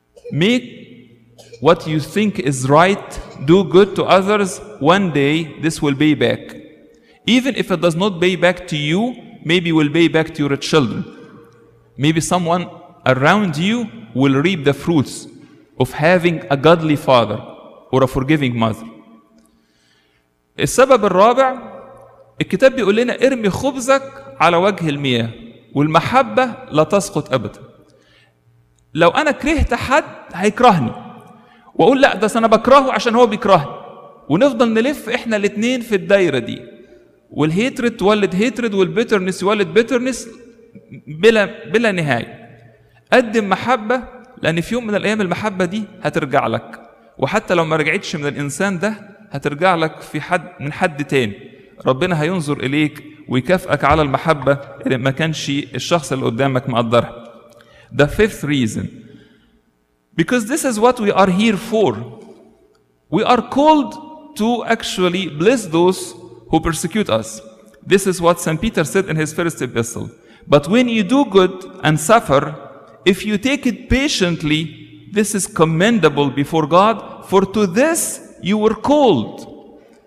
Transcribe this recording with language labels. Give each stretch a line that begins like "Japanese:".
English: Make what you think is right, do good to others, one day this will pay back. Even if it does not pay back to you, maybe will pay back to your children. Maybe someone around you will reap the fruits of having a godly father or a forgiving mother.
Arabic: السبب الرابع، الكتاب بيقول لنا ارمي خبزك على وجه المياه والمحبة لا تسقط أبدا. لو أنا كرهت حد هيكرهني، وأقول لا ده أنا بكرهه عشان هو بيكرهني، ونفضل نلف إحنا الاثنين في الدائرة دي، والهيترد تولد هيترد، والبيترنس يولد بيترنس بلا نهاية. قدم محبة، لأن في يوم من الأيام المحبة دي هترجع لك، وحتى لو ما رجعتش من الإنسان ده هترجع لك في حد من حد تاني. ربنا هينظر إليك ويكافئك على المحبة اللي ما كانش الشخص اللي قدامك مقدرها.
English: The fifth reason: because this is what we are here for. We are called to actually bless those who persecute us. This is what St. Peter said in his first epistle. But when you do good and suffer, if you take it patiently, this is commendable before God, for to this you were called.